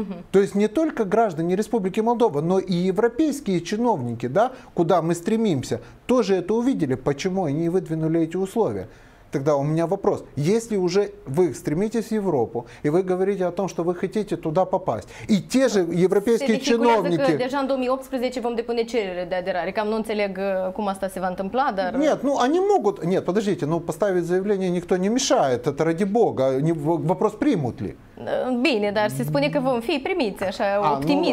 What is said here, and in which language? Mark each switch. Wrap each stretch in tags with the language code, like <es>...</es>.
<ru>То есть не только граждане Республики Молдова, но и европейские чиновники, да, куда мы стремимся, тоже это увидели, почему они выдвинули эти условия. Тогда у меня вопрос, если уже вы стремитесь в Европу, и вы говорите о том, что вы хотите туда попасть, и те же европейские чиновники...</ru> <ro>Se deja în 2018 vom depune cerere de aderare, cam nu înțeleg cum asta se va întâmpla, dar...</ro> <ru>Нет, ну они могут... Нет, подождите, ну поставить заявление никто не мешает, это ради бога, вопрос примут ли?</ru> <ro>Bine, dar se spune că vom fi primiți, așa, оптимист.</ro>